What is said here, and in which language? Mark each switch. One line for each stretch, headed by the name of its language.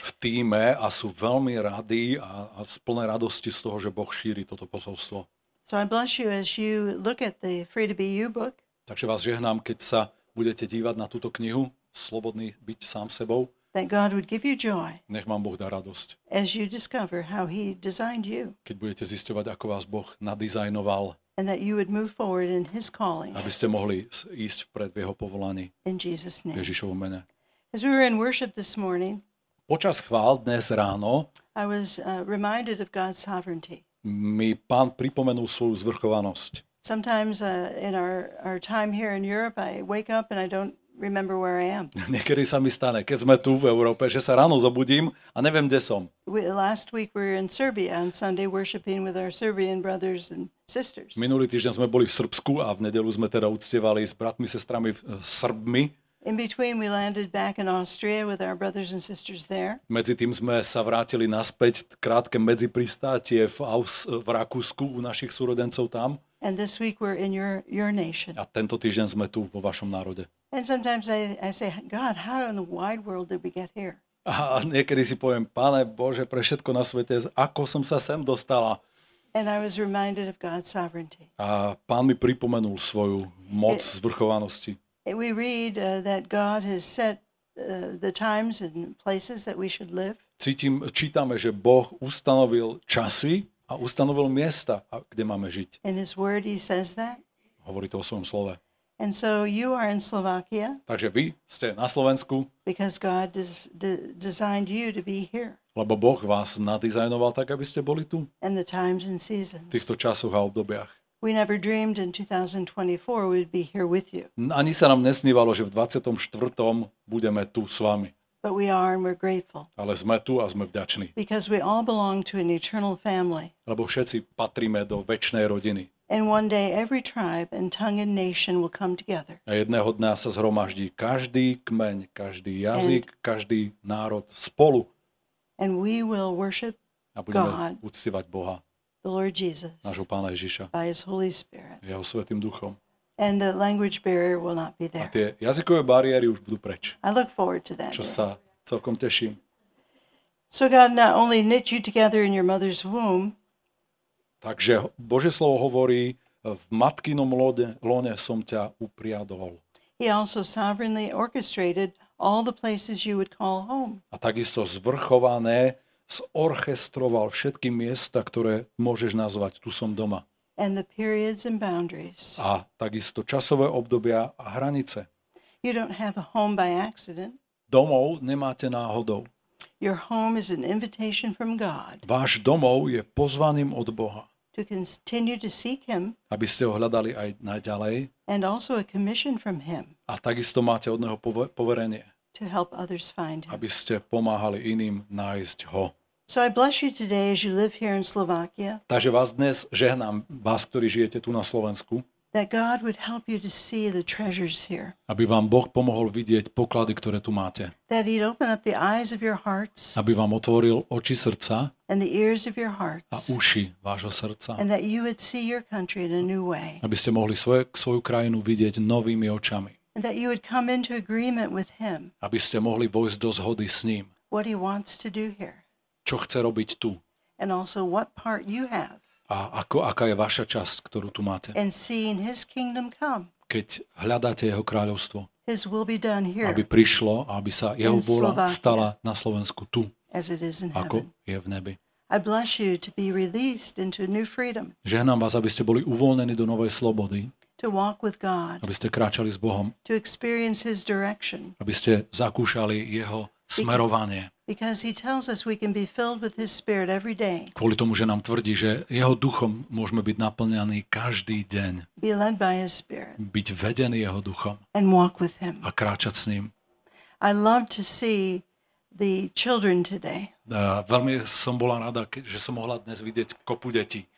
Slovak: V tíme a sú veľmi radi a plné radosti z toho, že Boh šíri toto posolstvo.
English: So I bless you as you look at the Free to Be You book.
Slovak: Takže vás žehnám, keď sa budete dívať na túto knihu Slobodný byť sám sebou.
English: That God would give you joy.
Slovak: Nech vám Boh dá radosť.
English: As you discover how he designed you.
Slovak: Keď budete zisťovať, ako vás Boh nadizajnoval.
English: And that you would move forward in his calling.
Slovak: Aby ste mohli ísť vpred v jeho povolaní.
English: In Jesus' name.
Slovak: V Ježišovom mene.
English: As we were in worship this morning.
Slovak: Počas chvál dnes ráno.
English: I was reminded of God's sovereignty.
Slovak: Mi pán pripomenul svoju zvrchovanosť.
English: Sometimes in our time here in Europe I wake up and I don't remember where I am.
Slovak: Niekedy sa mi stane, keď sme tu v Európe, že sa ráno zobudím a neviem, kde som.
English: Last week we were in Serbia on Sunday worshiping with our Serbian brothers and sisters.
Slovak: Minulý týždeň sme boli v Srbsku a v nedeľu sme teda uctievali s bratmi, sestrami, Srbmi.
English: In between we landed back in Austria with our brothers and sisters there.
Slovak: Medzi tým sme sa vrátili naspäť krátke medzipristátie v Rakúsku u našich súrodencov tam.
English: And this week we're in your nation.
Slovak: A tento týždeň sme tu vo vašom národe.
English: And sometimes I say, God, how in the wide world did we get here?
Slovak: A niekedy si poviem, Pane Bože, pre všetko na svete, ako som sa sem dostala?
English: And I was reminded of God's sovereignty.
Slovak: A Pán mi pripomenul svoju moc zvrchovanosti.
English: We read that God has set the times and places that we should live.
Slovak: Čítame, že Boh ustanovil časy a ustanovil miesta, kde máme žiť.
English: In his word he says that.
Slovak: Hovorí to o svojom slove.
English: And so you are in Slovakia.
Slovak: Takže vy ste na Slovensku.
English: Because God designed you to be here.
Slovak: Lebo Boh vás nadizajnoval tak, aby ste boli tu.
English: And the times and seasons.
Slovak: V týchto časoch a obdobiach.
English: We never dreamed in 2024 we'd be here with you.
Slovak: Ani sa nám nesnívalo, že v 24. budeme tu s vami.
English: But we are and we're grateful.
Slovak: Ale sme tu a sme vďační.
English: Because we all belong to an eternal family.
Slovak: Lebo všetci patríme do večnej rodiny.
English: And one day every tribe and tongue and nation will come together.
Slovak: A jedného dňa sa zhromaždí každý kmeň, každý jazyk, každý národ spolu.
English: And we will worship God.
Slovak: A budeme uctievať Boha.
English: The Lord Jesus.
Slovak: Nášho Pána Ježiša.
English: By his Holy Spirit.
Slovak: Jeho Svätým Duchom.
English: And the language barrier will not be there.
Slovak: A tie jazykové bariéry už budú preč.
English: I look forward to that.
Slovak: Čo sa celkom teším.
English: So God not only knit you together in your mother's womb.
Slovak: Takže Božie slovo hovorí, v matkinom lone som ťa upriadol.
English: He also sovereignly orchestrated all the places you would call home.
Slovak: A takisto zvrchované zorchestroval všetky miesta, ktoré môžeš nazvať tu som doma.
English: And the periods and boundaries.
Slovak: A takisto časové obdobia a hranice.
English: You don't have a home by accident.
Slovak: Domov nemáte náhodou.
English: Your home is an invitation from God.
Slovak: Váš domov je pozvaným od Boha.
English: To continue to seek him.
Slovak: Aby ste ho hľadali aj naďalej.
English: And also a commission from him.
Slovak: A takisto máte od neho poverenie.
English: To help others find him.
Slovak: Aby ste pomáhali iným nájsť ho.
English: So I bless you today as you live here in Slovakia.
Slovak: Takže vás dnes žehnám, vás, ktorí žijete tu na Slovensku.
English: That God would help you to see the treasures here.
Slovak: Aby vám Boh pomohol vidieť poklady, ktoré tu máte.
English: That he'd open up the eyes of your hearts.
Slovak: Aby vám otvoril oči srdca.
English: And the ears of your hearts.
Slovak: A uši vášho srdca.
English: And that you would see your country in a new way.
Slovak: Aby ste mohli svoju krajinu vidieť novými očami.
English: And that you would come into agreement with him.
Slovak: Aby ste mohli vojsť do zhody s ním.
English: What he wants to do here.
Slovak: Čo chce robiť tu.
English: And also what part you have.
Slovak: A aká je vaša časť, ktorú tu máte.
English: And seeing his kingdom come.
Slovak: Keď hľadáte jeho kráľovstvo.
English: His will be done here.
Slovak: Aby prišlo a aby sa jeho vôľa stala na Slovensku tu.
English: As it is in
Slovak: ako
English: heaven.
Slovak: Je v nebi.
English: I bless you to be released into new freedom.
Slovak: Žehnám vás, aby ste boli uvoľnení do novej slobody.
English: To walk with God.
Slovak: Aby ste kráčali s Bohom.
English: To experience his direction.
Slovak: Aby ste zakúšali jeho smerovanie.
English: Because he tells us we can be filled with his spirit every day.
Slovak: Kvôli tomu, že nám tvrdí, že jeho duchom môžeme byť naplňaní každý deň.
English: Be led by his spirit.
Slovak: Byť vedený jeho duchom.
English: And walk with him.
Slovak: A kráčať s ním.
English: I love to see the children today.
Slovak: Veľmi som bola rada, že som mohla dnes vidieť kopu detí.